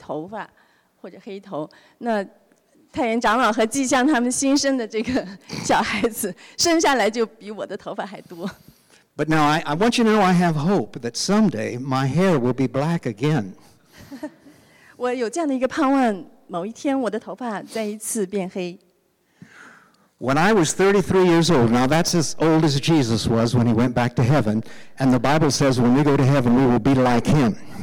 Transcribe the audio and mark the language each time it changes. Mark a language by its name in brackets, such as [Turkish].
[Chinese] 我的头发慢慢的变白了，然后想起来曾经中国人呢有一个名字是英文给他名字，就是黑头发或者黑头。那 太原长老和纪香他们新生的这个小孩子，生下来就比我的头发还多。 [English] But now I want you to know I have hope that someday my hair will be black again. [Chinese] 我有这样的一个盼望，某一天我的头发再一次变黑。 [English] When I was 33 years old, now that's as old as Jesus was when he went back to heaven, and the Bible says when we go to heaven we will be like him.